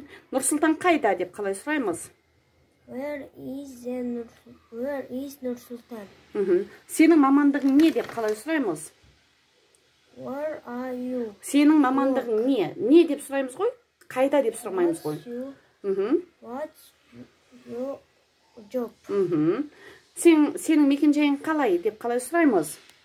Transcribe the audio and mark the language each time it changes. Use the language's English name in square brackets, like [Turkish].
[Kazakh] Нұрсұлтан қайда деп қалай сұраймыз? [English] Where is Нұрсұлтан? [Kazakh] Сенің мамандығың не деп қалай сұраймыз? [English] Where are you? [Kazakh] Сенің мамандығың не? Не деп сұраймыз ғой? Қайда деп сұрамаймыз ғой? [English] What's your job? [Kazakh] Сенің мекенжайың қалай деп қалай сұраймыз?